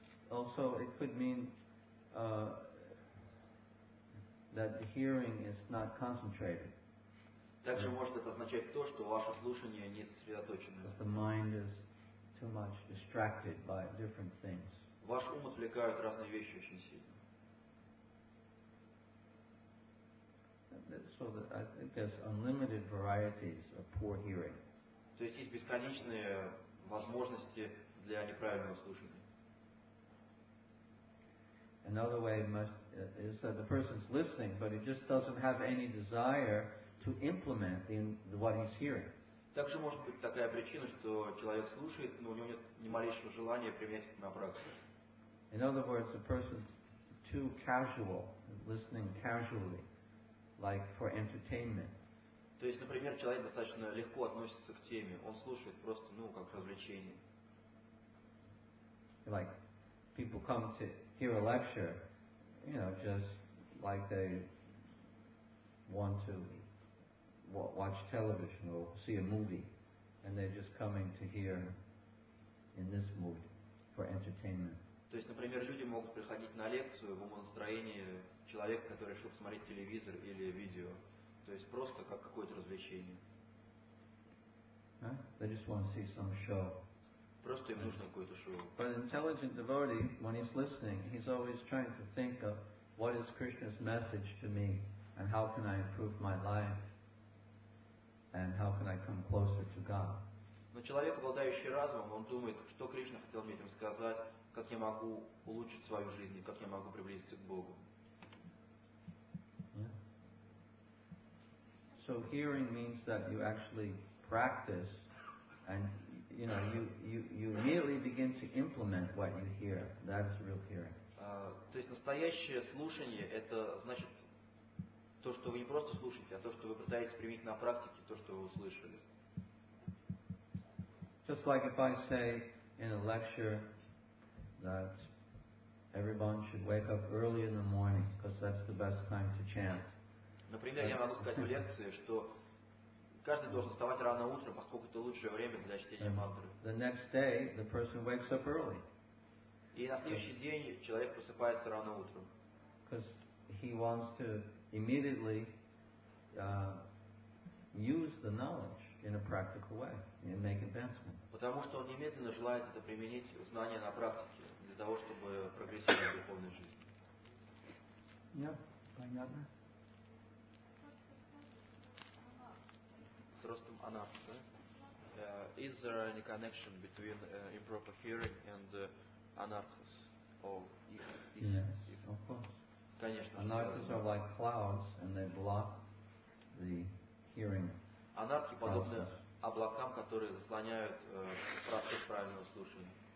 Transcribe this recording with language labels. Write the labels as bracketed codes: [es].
[en] Also, it could mean that the hearing is not concentrated. [ru] Также может это означать то, что ваше слушание не сосредоточено. [en] That the mind is too much distracted by different things. [ru] Ваш ум отвлекают разные вещи очень сильно. [en] So that I think there's unlimited varieties of poor hearing. [ru] То есть есть бесконечные возможности для неправильного слушания. [en] Another way is that the person's listening, but he just doesn't have any desire to implement what he's hearing. [ru] Также может быть такая причина, что человек слушает, но у него нет ни малейшего желания применять это на практике. [en] In other words, the person's too casual, listening casually, like for entertainment. [ru] То есть, например, человек достаточно легко относится к теме, он слушает просто, ну, как развлечение. [en] Like people come to hear a lecture, you know, just like they want to watch television or see a movie, and they're just coming to hear in this mood for entertainment. [ru] То есть, например, люди могут приходить на лекцию в умонастроении человека, который решил посмотреть телевизор или видео. То есть просто как какое-то развлечение. [en] They just want to see some show. [ru] Просто им нужно какое-то шоу. [en] But an intelligent devotee, when he's listening, he's always trying to think of what is Krishna's message to me and how can I improve my life. And how can I come closer to God? [ru] Но человек, обладающий разумом, он думает, что Кришна хотел мне этим сказать, как я могу улучшить свою жизнь, как я могу приблизиться к Богу. Yeah. [en] So hearing means that you actually practice, and you know you immediately begin to implement what you hear. That's real hearing. [ru] То есть настоящее слушание это значит то, что вы не просто слушаете, а то, что вы пытаетесь применить на практике то, что вы услышали. [en] Just like if I say in a lecture that everyone should wake up early in the morning because that's the best time to chant. [ru] Например, я могу сказать в лекции, что каждый должен вставать рано утром, поскольку это лучшее время для чтения мантры. [en] The next day the person wakes up early. [ru] И на следующий день человек просыпается рано утром. [en] Because he wants to immediately use the knowledge in a practical way and make advancement. [ru] Потому что он немедленно желает это применить знания на практике для того, чтобы прогрессировать в духовной жизни. Yeah, понятно. С ростом анапсиса, да? [en] Is there any connection between improper hearing and anarthas? Yes, of course. [ru] Конечно. [en] Anarthas are like clouds, and they block the hearing. [ru] Анархи подобны облакам, которые заслоняют процесс правильного слушания.